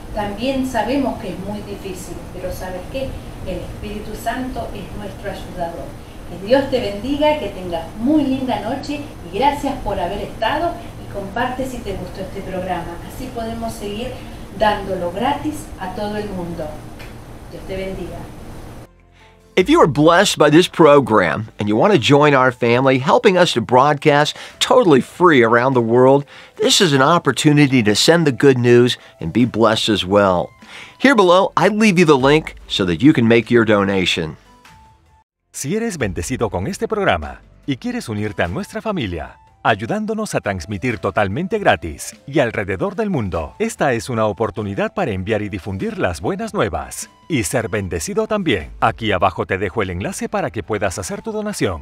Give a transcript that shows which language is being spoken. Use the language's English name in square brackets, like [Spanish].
[Spanish] También sabemos que es muy difícil, pero ¿sabes qué? El Espíritu Santo es nuestro ayudador. Que Dios te bendiga, que tengas muy linda noche y gracias por haber estado. Comparte si te gustó este programa, así podemos seguir dándolo gratis a todo el mundo. Dios te bendiga. [English] If you are blessed by this program and you want to join our family, helping us to broadcast totally free around the world, this is an opportunity to send the good news and be blessed as well. Here below, I leave you the link so that you can make your donation. [Spanish] Si eres bendecido con este programa y quieres unirte a nuestra familia, ayudándonos a transmitir totalmente gratis y alrededor del mundo. Esta es una oportunidad para enviar y difundir las buenas nuevas y ser bendecido también. Aquí abajo te dejo el enlace para que puedas hacer tu donación.